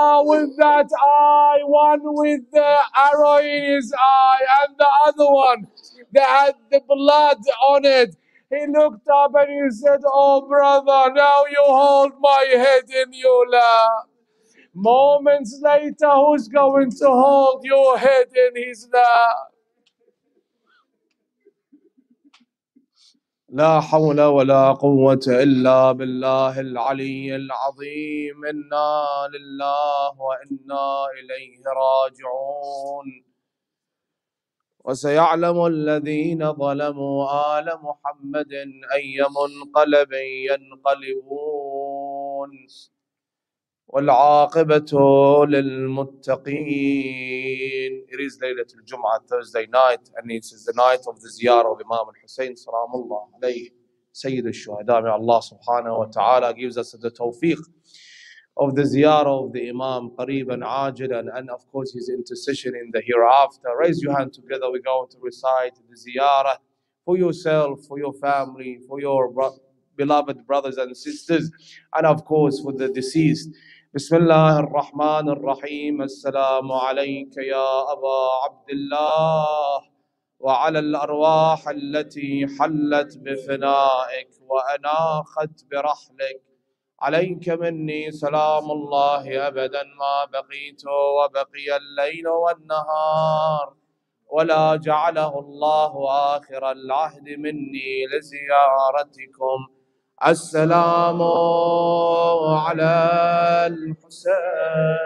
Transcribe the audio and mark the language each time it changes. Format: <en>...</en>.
<en>With that eye, one with the arrow in his eye, and the other one that had the blood on it. He looked up and he said, "Oh, brother, now you hold my head in your lap." Moments later, who's going to hold your head in his lap?</en> <ar>لا حول ولا قوة إلا بالله العلي العظيم إنا لله وإنا إليه راجعون وسيعلم الذين ظلموا آل محمد أي منقلب ينقلبون والعاقبة للمتقين.</ar> <en>It is Laylatul Jum'ah, Thursday night, and it is the night of the ziyarah of Imam al-Hussein, salamullah alayhi, Sayyid al-Shuhada. May Allah subhanahu wa ta'ala gives us the tawfiq of the ziyarah of the Imam, qariban, ajilan, and of course his intercession in the hereafter. Raise your hand together, we're going to recite the ziyarah for yourself, for your family, for your beloved brothers and sisters, and of course for the deceased.</en> <ar>بسم الله الرحمن الرحيم السلام عليك يا أبا عبد الله وعلى الأرواح التي حلت بفنائك وأناخت برحلك عليك مني سلام الله أبدا ما بقيت وبقي الليل والنهار ولا جعله الله آخر العهد مني لزيارتكم السلام على الحسين</ar>